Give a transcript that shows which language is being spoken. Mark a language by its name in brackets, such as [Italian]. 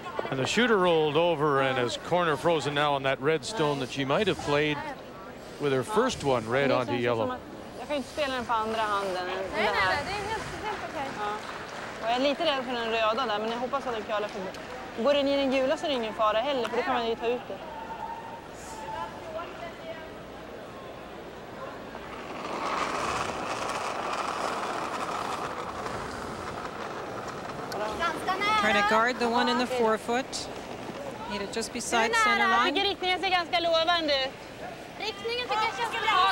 [English] And the shooter rolled over and his corner frozen now on that red stone that she might have played with her first one red onto yellow. [Swedish] Jag kan inte spela den på andra handen. Nej, nej, nej, det är helt okej. Ja. Jag är lite rädd för den röda där, men jag hoppas att den kölar förbi. Går den i den gula så är det ingen fara heller, för då kan man ju ta ut det. [English] Trying to guard the one in the forefoot. Need it just beside center line. [Swedish] Tycker riktningen ser ganska lovande ut. Riktningen tycker jag känns bra.